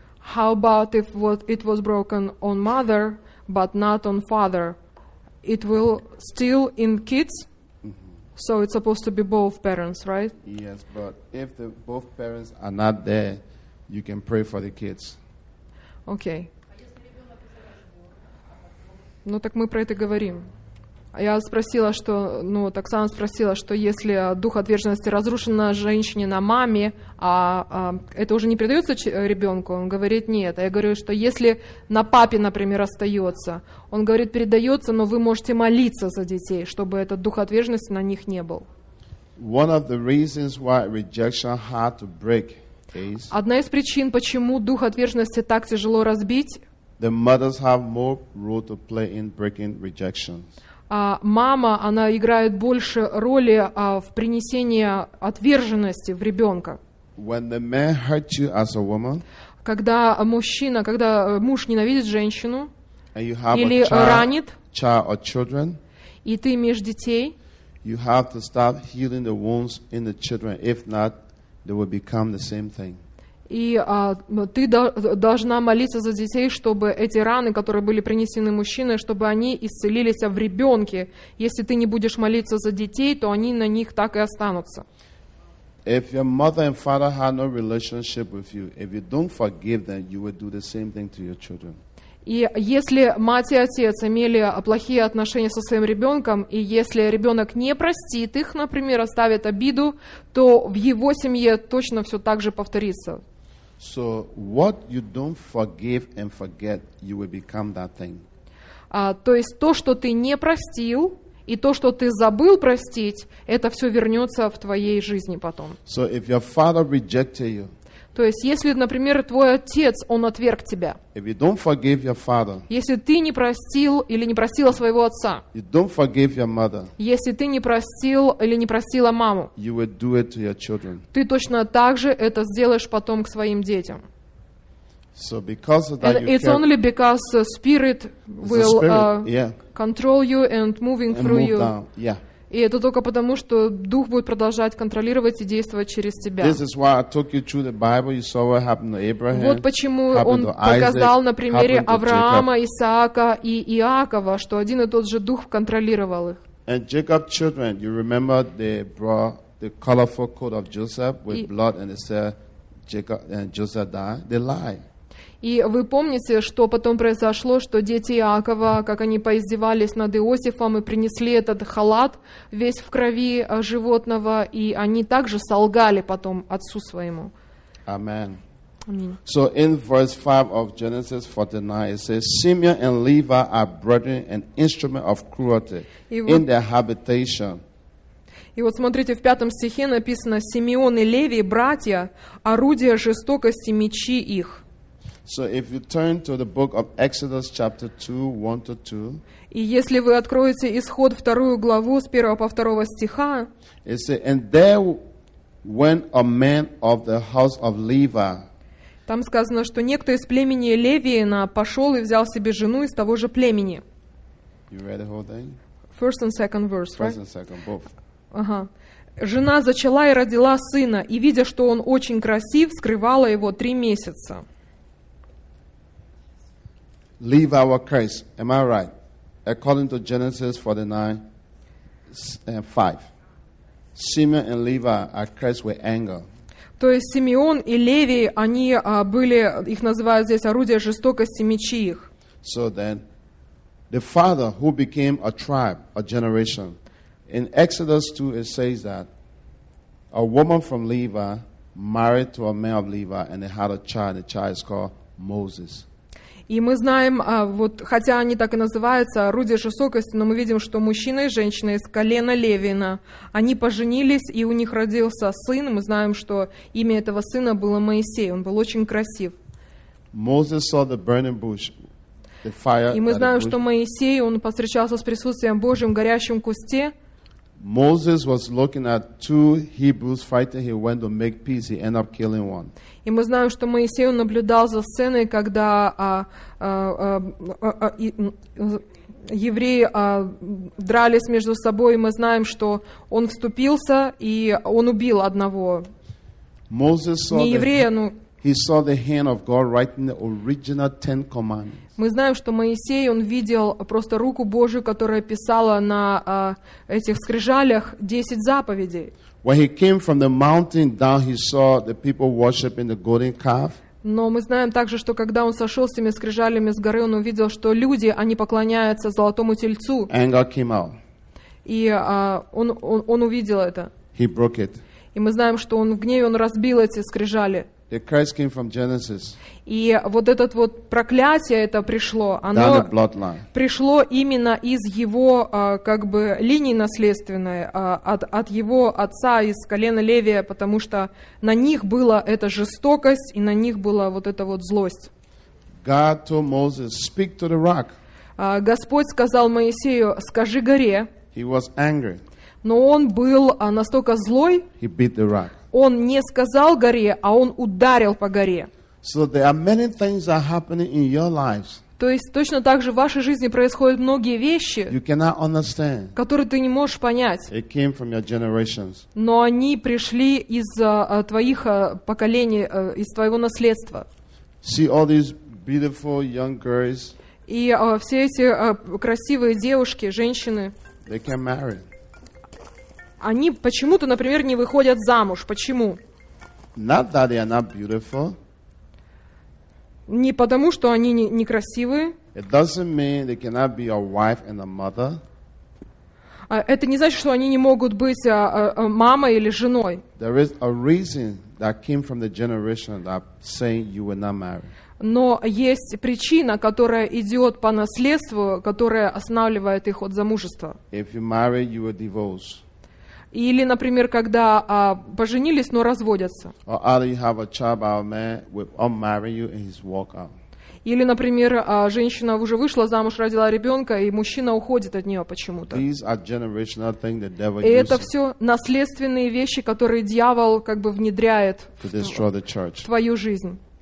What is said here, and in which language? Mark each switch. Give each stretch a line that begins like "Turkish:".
English: How about if it was broken on mother, but not on father? It will still in kids, mm-hmm. So it's supposed to be both parents, right? Yes, but if the both parents are not there, you can pray for the kids. Okay.
Russian: Ну так мы про это говорим. Я спросила, что, ну, так сама спросила, что если дух отверженности разрушен на женщине, на маме, а это уже не передается ребенку, он говорит нет. А я говорю, что если на папе, например, остается, он говорит, передается, но вы можете молиться за детей, чтобы этот дух отверженности на них не был.
English: One of the reasons why rejection hard to break is...
Russian: Одна из причин, почему дух отверженности так тяжело разбить...
English: The mothers have more role to play in breaking rejections.
Russian: Мама, она играет больше роли в принесении отверженности в ребенка.
English: When the man hurts you as a woman,
Russian: когда мужчина, когда муж ненавидит женщину
English: and you have
Russian: или
English: a child,
Russian: ранит,
English: child or children,
Russian: и ты имеешь детей,
English: you have to start healing the wounds in the children. If not, they will become the same thing.
Russian: И ты должна молиться за детей, чтобы эти раны, которые были принесены мужчиной, чтобы они исцелились в ребенке. Если ты не будешь молиться за детей, то они на них так и останутся.
English: If your mother and father had no relationship with you, if you don't forgive them, you will do the same thing to your children.
Russian: И если мать и отец имели плохие отношения со своим ребенком, и если ребенок не простит их, например, оставит обиду, то в его семье точно все так же повторится.
English: So what you don't forgive and forget, you will become that thing.
Russian: То есть то, что ты не простил, и то, что ты забыл простить, это все вернется в твоей жизни потом.
English: So if your father rejected you,
Russian: то есть, если, например, твой отец, он отверг тебя.
English: If you don't forgive your father,
Russian: если ты не простил или не простила своего отца.
English: You don't forgive your mother,
Russian: если ты не простил или не простила маму.
English: You will do it to your children.
Russian: Ты точно так же это сделаешь потом к своим детям.
English: So because of that, it's care, only because the spirit will control you and moving and through you. Down. Yeah.
Russian: И это только потому, что Дух будет продолжать контролировать и действовать через тебя. Вот почему он показал на примере Авраама, Исаака и Иакова, что один и тот же Дух контролировал их.
English: И Jacob's children, you remember, they brought the colorful coat of Joseph with blood, and they said, Jacob and Joseph died. They lied.
Russian: И вы помните, что потом произошло, что дети Иакова, как они поиздевались над Иосифом и принесли этот халат весь в крови животного, и они также солгали потом отцу своему. Аминь.
English: So in verse 5 of Genesis 49, it says, Simeon and Levi are brethren, an instrument of cruelty in their habitation.
Russian: И вот смотрите, в 5 стихе написано, Симеон и Леви, братья, орудия жестокости мечи их.
English: So if you turn to the book of Exodus chapter 2, 1 to 2.
Russian: И если вы откроете исход вторую главу с 1 по 2 стиха.
English: It says, and there went a man of the house of Levi.
Russian: Там сказано, что некто из племени Левиина пошел и взял себе жену из того же племени.
English: You read the whole thing? First and second verse, first right? First and second, both.
Russian: Ага. Жена зачала и родила сына, и, видя, что он очень красив, скрывала его 3 месяца.
English: Leave our curse. Am I right? According to Genesis 49:5, Simeon and Levi are cursed with anger.
Russian: То есть Симеон и Леви, они были, их называют здесь орудия жестокости мечи их.
English: So then, the father who became a tribe, a generation. In Exodus 2, it says that a woman from Levi married to a man of Levi, and they had a child. The child is called Moses.
Russian: И мы знаем, вот, хотя они так и называются, орудия жестокости, но мы видим, что мужчина и женщина из колена Левина, они поженились, и у них родился сын. Мы знаем, что имя этого сына было Моисей, он был очень красив.
English: Moses saw the burning bush, the fire.
Russian: И мы знаем, что Моисей, он повстречался с присутствием Божьим в горящем кусте.
English: Moses was looking at two Hebrews fighting. He went to make peace. He ended up killing one.
Russian: И мы знаем, что Моисей наблюдал за сценой, когда евреи дрались между собой. И мы знаем, что он вступился и он убил одного.
English: Moses saw
Russian: не еврея, но
English: he saw the hand of God writing the original Ten Commandments.
Russian: Мы знаем, что Моисей, он видел просто руку Божию, которая писала на этих скрижалях 10 заповедей.
English: When he came from the mountain down, he saw the people worshiping the golden calf.
Russian: Но мы знаем также, что когда он сошел с этими скрижалями с горы, он увидел, что люди, они поклоняются золотому тельцу.
English: Anger came out.
Russian: И он увидел это.
English: He broke it.
Russian: И мы знаем, что он в гневе, он разбил эти скрижали.
English: The curse came from Genesis.
Russian: И вот это вот проклятие, это пришло, оно
English: down the bloodline.
Russian: Пришло именно из его как бы линии наследственной, от его отца, из колена Левия, потому что на них была эта жестокость, и на них была вот эта вот злость.
English: God told Moses, speak to the rock.
Russian: Господь сказал Моисею, скажи горе.
English: He was angry.
Russian: Но он был настолько злой,
English: he beat the rock.
Russian: Он не сказал горе, а он ударил по горе.
English: So there are many things that are happening in your lives.
Russian: То есть точно так же в вашей жизни происходят многие вещи,
English: you cannot understand.
Russian: Которые ты не можешь понять.
English: It came from your generations.
Russian: Но они пришли из твоих поколений, из твоего наследства.
English: See all these beautiful young girls.
Russian: И все эти красивые девушки, женщины.
English: They can marry.
Russian: Они почему-то, например, не выходят замуж. Почему?
English: Not that they are not beautiful.
Russian: Не потому, что они некрасивые.
English: It doesn't mean they cannot be a wife and a mother.
Russian: Это не значит, что они не могут быть мамой или женой.
English: There is a reason that came from the generation that saying you will not marry.
Russian: Но есть причина, которая идет по наследству, которая останавливает их от замужества.
English: If you marry, you will divorce.
Russian: Или, например, когда поженились, но разводятся.
English: Or either you have a child by a man will unmarry you and he's walk out.
Russian: Или, например, женщина уже вышла замуж, родила ребенка, и мужчина уходит от нее почему-то. И это все наследственные вещи, которые дьявол как бы внедряет в твою жизнь.